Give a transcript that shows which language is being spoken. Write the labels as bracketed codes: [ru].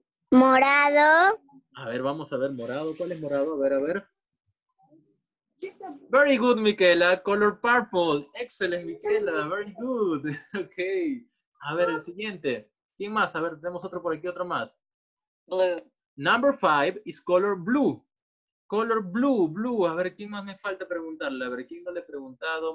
[es] Morado. A ver, vamos a ver morado. ¿Cuál es morado? A ver, a ver. [en] Very good, Miquela. Color purple. Excellent, Miquela. Very good. Ok. [es] A ver, el siguiente. ¿Quién más? A ver, tenemos otro por aquí, otro más. [en] Blue. Number five is color blue. Color blue, blue. [es] A ver, ¿quién más me falta preguntarle? A ver, ¿quién no le he preguntado?